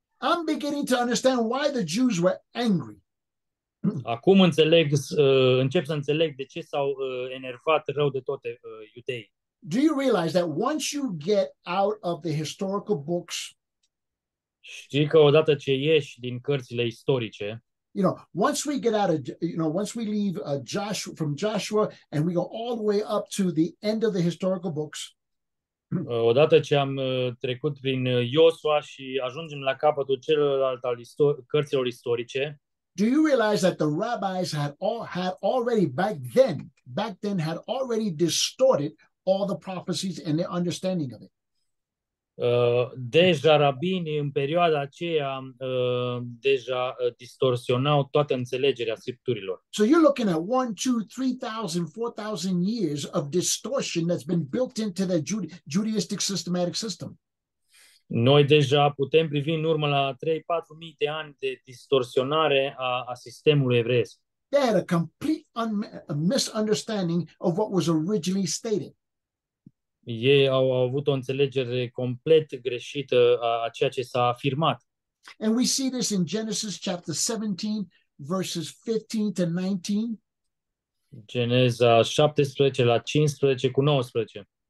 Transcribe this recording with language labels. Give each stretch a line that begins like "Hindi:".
English: I'm beginning to understand why the Jews were angry.
Romanian: Acum încep să înțeleg de ce s-au enervat rău de tot iudeii.
English: Do you realize that once you get out of the historical books,
Romanian: știi că odată ce ieși din cărțile istorice,
English: You know, once we get out of, you know, once we leave Joshua, from Joshua, and we go all the way up to the end of the historical books.
Romanian: Odată ce am trecut prin Iosua și ajungem la capătul celălalt al cărților istorice.
English: Do you realize that the rabbis had already back then had already distorted all the prophecies and their understanding of it?
Romanian: Deja rabinii în perioada aceea deja distorsionau toată înțelegerea scripturilor.
English: So you're looking at 1, 2, 3,000, 4,000 years of distortion that's been built into the Judaistic systematic system.
Romanian: Noi deja putem privi în urmă la 3-4 mii de ani de distorsionare a sistemului evreiesc.
English: They had a complete misunderstanding of what was originally stated.
Romanian: Ei au avut o înțelegere complet greșită a ceea ce s-a afirmat.
English: And we see this in Genesis chapter 17, verses 15 to 19.
Romanian: Geneza 17 la 15 cu 19.